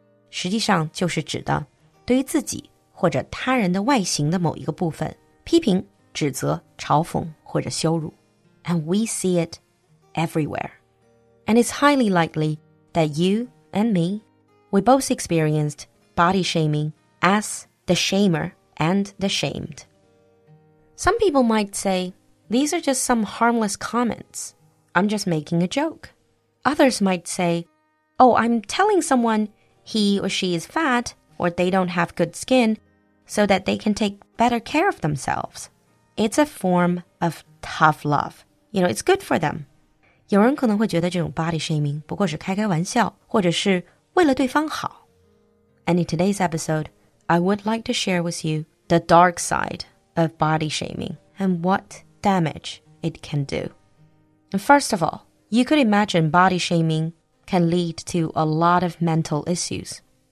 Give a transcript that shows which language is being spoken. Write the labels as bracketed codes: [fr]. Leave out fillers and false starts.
[zh] 实际上就是指的对于自己或者他人的外形的某一个部分批评指责、嘲讽或者羞辱。 [en] And we see it everywhere. And it's highly likely that you and me, we both experienced body shaming as the shamer and the shamed. Some people might say, these are just some harmless comments. I'm just making a joke. Others might say, oh, I'm telling someone he or she is fat or they don't have good skin so that they can take better care of themselves. It's a form of tough love. You know, it's good for them. [zh] 有人可能会觉得这种 body shaming 不过是开开玩笑或者是为了对方好。 [en] And in today's episode, I would like to share with you the dark side of body shaming and what damage it can do. And first of all, you could imagine body shaming can lead to a lot of mental issues.